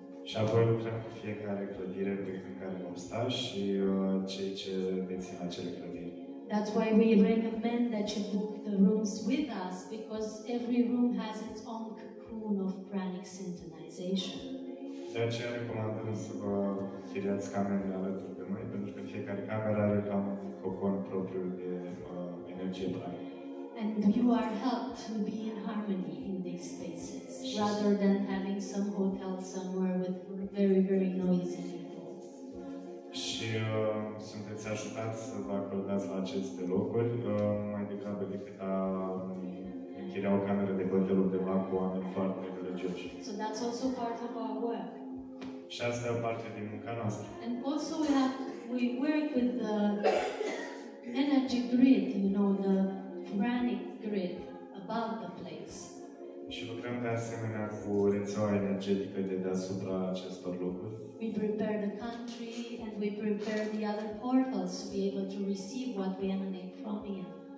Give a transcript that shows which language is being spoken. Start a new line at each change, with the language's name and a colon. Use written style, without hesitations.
Romanian: Și apoi lucrăm cu fiecare clădire pe care vom sta și cei ce dețin acele clădiri.
English: That's why we recommend that you book the rooms with us, because every room has its own cocoon of pranic synchronization.
Romanian: De aceea recomandăm să vă chiriați camerele alături de noi, pentru că fiecare cameră are cam un cocon propriu de energie pranică.
English: And you are helped to be in harmony in these spaces, rather than having some hotel somewhere with very, very noisy people.
Romanian: Și sunteți ajutați să vă acordați la aceste locuri, mai degrabă decât a închiria o cameră de hotel undeva cu oameni foarte religioși.
English: So that's also part of our work.
Romanian: Și asta e o parte din munca noastră.
English: And also we work with the energy grid, you know, the pranic grid above the place.
Romanian: Și lucrăm de asemenea cu rețeaua energetică de deasupra acestor locuri.
English: We prepare the country and we prepare the other portals to be able to receive what we emanate from here.